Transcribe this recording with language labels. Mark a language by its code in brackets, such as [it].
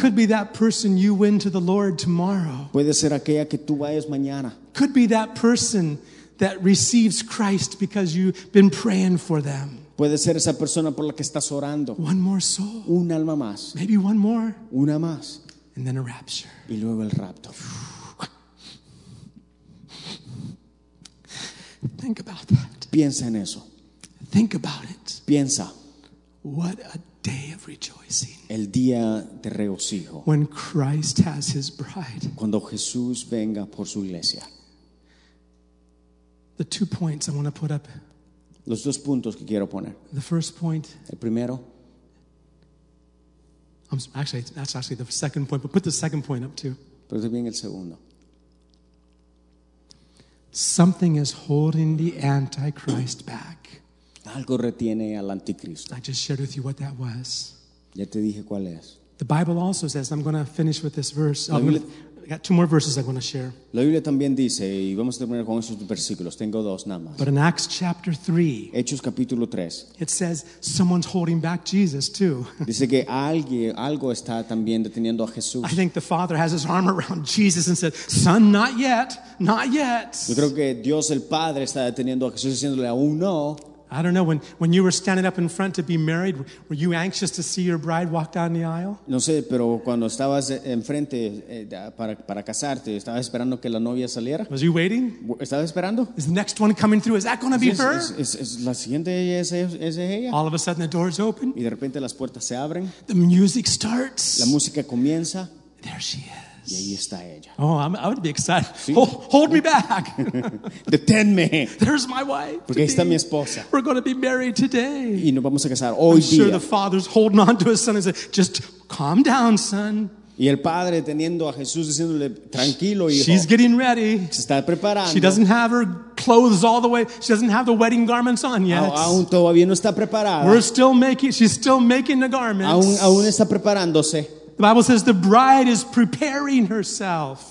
[en] Could be that person you win to the Lord tomorrow. [es] Puede ser aquella que tú vayas mañana. [en] Could be that person that receives Christ because you've been praying for them. [es] Puede ser esa persona por la que estás orando. [en] One more soul. [es] Un alma más. [en] Maybe one more. [es] Una más. [en] And then a rapture. [es] Y luego el rapto. [en] Think about that. [es] Piensa en eso. [en] Think about it. [es] Piensa. [en] What a day of rejoicing. [es] El día de regocijo. [en] When Christ has his bride. [es] Cuando Jesús venga por su iglesia. [en] The 2 points I want to put up. [es] Los dos puntos que quiero poner. [en] The first point. [es] El primero. [en] That's actually the second point, but put the second point up too. [es] Pero también el segundo. [en] Something is holding the Antichrist back. [es] Algo retiene al anticristo. [en] I just shared with you what that was. [es] Ya te dije cuál es. [en] The Bible also says, I'm going to finish with this verse. I got 2 more verses I want to share. [es] La Biblia también dice, y vamos a terminar con esos versículos. Tengo 2 nada más. [en] But in Acts chapter 3, [es] Hechos capítulo 3, [en] it says someone's holding back Jesus too. [es] Dice que algo está también deteniendo a Jesús. [en] I think the Father has his arm around Jesus and said, "Son, not yet, not yet." [es] Yo creo que Dios el Padre está deteniendo a Jesús diciéndole aún no. [en] I don't know, when you were standing up in front to be married, were you anxious to see your bride walk down the aisle? [es] No sé, pero cuando estabas enfrente para casarte, ¿estabas esperando que la novia saliera? [en] Was you waiting? [es] ¿Estabas esperando? [en] Is the next one coming through? Is that going to be her? [es] ¿Es la siguiente es ella? [en] All of a sudden the doors open. [es] Y de repente las puertas se abren. [en] The music starts. [es] La música comienza. [en] There she is. [es] Y ahí está ella. [en] Oh, I would be excited. [es] Sí. [en] Hold me back. [es] Deténme. [en] There's my wife. [es] Porque ahí está mi esposa. [en] We're going to be married today. [es] Y nos vamos a casar hoy día. [en] I'm sure the father's holding on to his son and saying, "Just calm down, son." [es] Y el padre teniendo a Jesús diciéndole, tranquilo, hijo. [en] She's getting ready. [es] Se está preparando. [en] She doesn't have her clothes all the way. She doesn't have the wedding garments on yet. [es] Aún todavía no está preparada. [en] She's still making the garments. [es] Aún está preparándose. [en] The Bible says the bride is preparing herself.